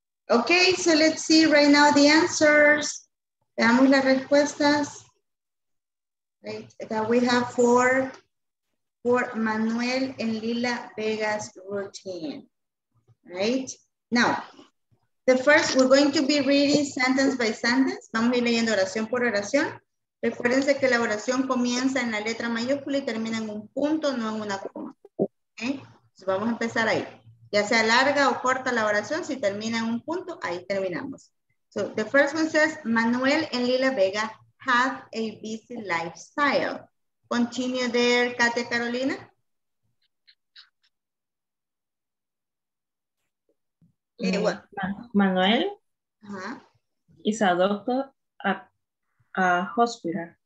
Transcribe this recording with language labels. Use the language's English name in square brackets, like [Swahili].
[English] Okay, so let's see right now the answers. [Spanish] Veamos las respuestas. [English] Right, we have for Manuel and Lila Vegas routine. Right? Now, the first, we're going to be reading sentence by sentence. [Spanish] Vamos a ir leyendo oración por oración. Recuérdense que la oración comienza en la letra mayúscula y termina en un punto, no en una coma. Okay? So vamos a empezar ahí. Ya sea larga o corta la oración, si termina en un punto, ahí terminamos. [English] So the first one says, Manuel and Lila Vega have a busy lifestyle. Continue there, Katia Carolina. Manuel is a doctor at a hospital.